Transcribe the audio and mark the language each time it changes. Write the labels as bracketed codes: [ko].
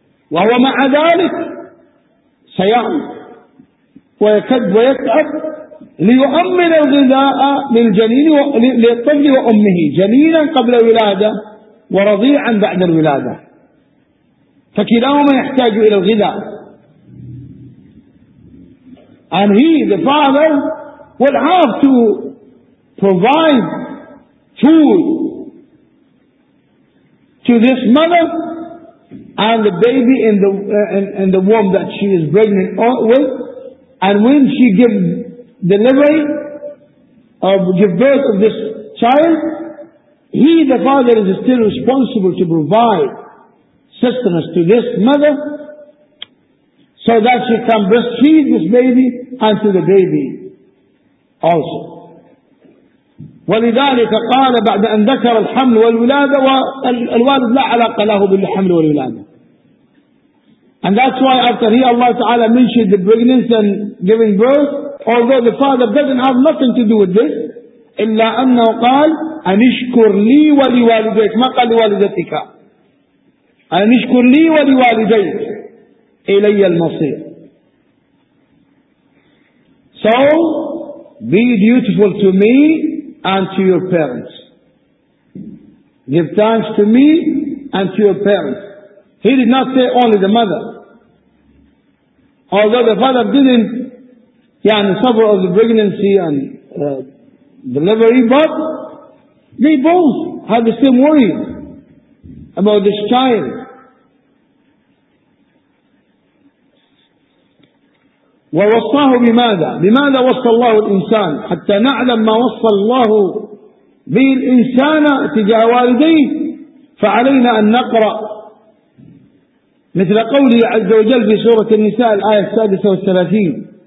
[ar] وهو مع ذلك سيعم ويكد ويتعب ليؤمن الغذاء للجنين للطفل وأمه جنينا قبل الولادة ورضيعا بعد الولادة. فكلاهما يحتاج إلى الغذاء. [en] And he, the father, will have to provide food to this mother and the baby in the womb that she is pregnant with, and when she gives delivery of give birth of this child, he, the father, is still responsible to provide sustenance to this mother so that she can breastfeed this baby and to the baby also. [ar] ولذلك قال بعد أن ذكر الحمل والولادة والوالد لا علاقة له بالحمل والولادة. [en] And that's why after here Allah Ta'ala mentioned the pregnancy and giving birth, although the father doesn't have nothing to do with this, [ar] إلا أنه قال أنشكر لي ولوالديك ما قال لوالدتك أنشكر لي ولوالديك إلي المصير. [en] So be dutiful to me and to your parents. Give thanks to me and to your parents. He did not say only the mother. Although the father didn't suffer of the pregnancy and delivery, but they both had the same worry about this child. [ar] ووصاه بماذا؟ بماذا وصى الله الإنسان؟ حتى نعلم ما وصى الله به الإنسان تجاه والديه، فعلينا أن نقرأ مثل قوله عز وجل في سورة النساء الآية 36.